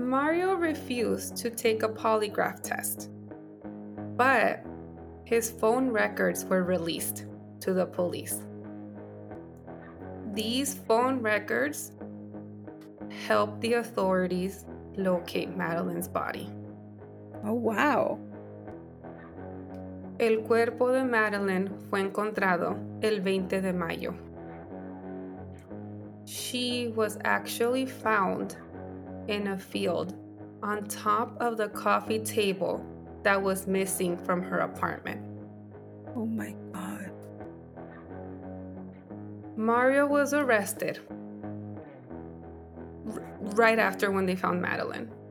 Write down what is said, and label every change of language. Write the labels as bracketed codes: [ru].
[en] Mario refused to take a polygraph test, but his phone records were released to the police. These phone records helped the authorities locate Madeline's body. Oh, wow. [es] El cuerpo de Madeline fue encontrado el 20 de mayo. [en] She was actually found in a field on top of the coffee table that was missing from her apartment. Oh, my God. Mario was arrested right after when they found Madeline.